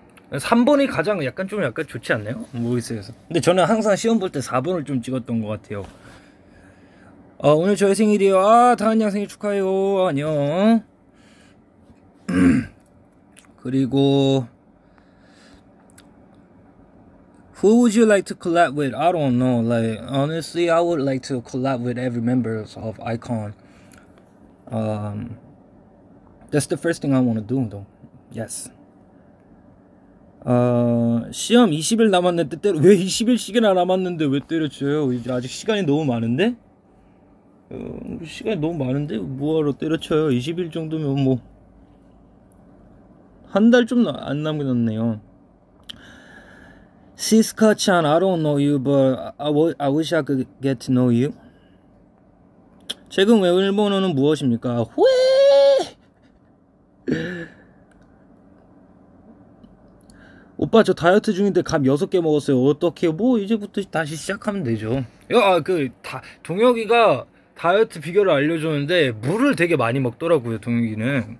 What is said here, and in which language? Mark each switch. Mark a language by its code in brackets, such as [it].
[ko] 3번이 가장 약간 좀 약간 좋지 않나요? 모르겠어요. 근데 저는 항상 시험 볼 때 4번을 좀 찍었던 것 같아요. 아, 오늘 저의 생일이에요. 아, 다은이 형 생일 축하해요. 안녕. [en] 그리고 Who would you like to collab with? I don't know. Like, honestly, I would like to collab with every member of Icon. That's the first thing I want to do, though. Yes. [ko] 시험 20일 남았는데 때려, 왜 20일씩이나 남았는데 왜 때려쳐요? 이제 아직 시간이 너무 많은데? 시간이 너무 많은데? 뭐하러 때려쳐요? 20일 정도면 뭐. 한 달 좀 안 남겼네요. [en] Siska-chan, I don't know you, but I wish I could get to know you. [ko] 최근 외운 일본어는 무엇입니까? 후에! 오빠, 저 다이어트 중인데 감 6개 먹었어요. 어떻게, 뭐, 이제부터 다시 시작하면 되죠. 야, 동혁이가 다이어트 비결을 알려줬는데, 물을 되게 많이 먹더라고요, 동혁이는.